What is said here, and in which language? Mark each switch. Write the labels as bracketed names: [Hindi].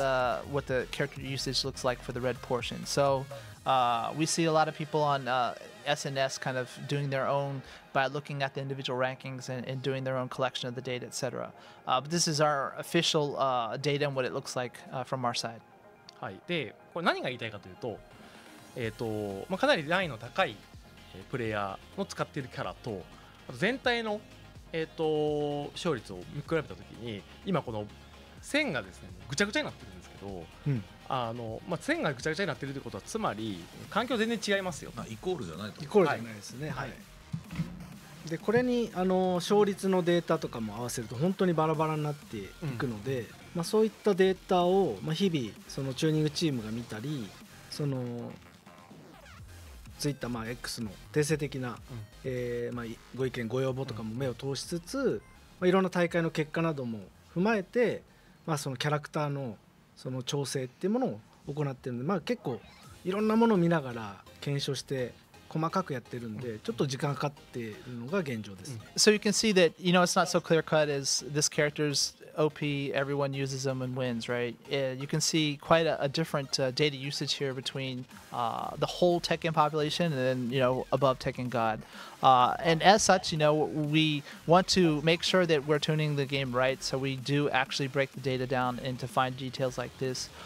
[English] That's what the character usage looks like for the red portion. So we see a lot of people on SNS kind of doing their own by looking at the individual rankings and doing their own collection of the data, etc. But this is our official data and what it looks like from our side. [Japanese] はい。で、これ何が言いたいかというと、まあ、かなりラインの高いプレイヤーの使っているキャラと、あと全体の勝率を見比べたときに、今この線がですね、ぐちゃぐちゃになってるんですけど、うん、あのまあ、線がぐちゃぐちゃになってるということは、つまり環境全然違いますよ。あ、イコールじゃないと。イコールじゃないですね。はい。はいでこれにあの勝率のデータとかも合わせると本当にバラバラになっていくので、うんまあ、そういったデータを、まあ、日々そのチューニングチームが見たりそのツイッター、まあ、X の定性的な、うんまあ、ご意見ご要望とかも目を通しつつ、うんまあ、いろんな大会の結果なども踏まえて、まあ、そのキャラクター その調整っていうものを行っているので、まあ、結構いろんなものを見ながら検証して細かくやってるんで、ちょっと時間かかってるのが現状です。 [English] So you can see that, you know, it's not so clear cut as this character's OP, everyone uses them and wins, right? You can see quite a different data usage here between the whole Tekken population and then, you know, above Tekken God. And as such, you know, we want to make sure that we're tuning the game right, so we do actually break the data down and to find details like this.